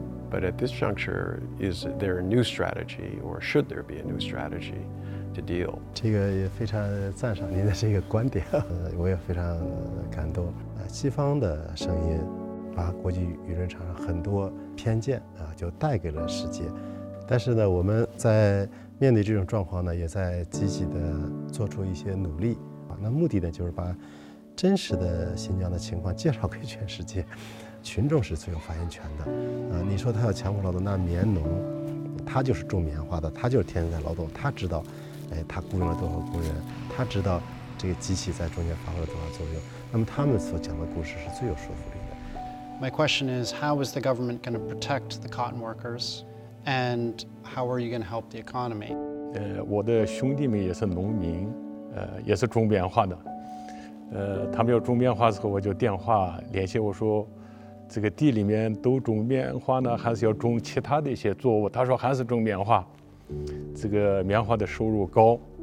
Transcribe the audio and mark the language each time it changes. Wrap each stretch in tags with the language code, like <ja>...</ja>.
<en>But at this juncture, is there a new strategy, or should there be a new strategy to deal?</en> <zh>这个也非常赞赏您的这个观点，我也非常感动。西方的声音把国际舆论场上很多偏见就带给了世界，但是呢，我们在面对这种状况呢，也在积极地做出一些努力，那目的呢，就是把真实的新疆的情况介绍给全世界，群众是最有发言权的。你说他要强迫劳动，那棉农他就是种棉花的，他就是天天在劳动，他知道，他雇佣了多少工人，他知道这个机器在中间发挥了多少作用，那么他们所讲的故事是最有说服力的。</zh> <en>My question is, how is the government going to protect the cotton workers? And how are you going to help the economy?</en> <zh>我的兄弟们也是农民，也是种棉花的。他们要种棉花的时候，我就电话联系我说，这个地里面都种棉花呢，还是要种其他的一些作物？他说还是种棉花，这个棉花的收入高。</zh>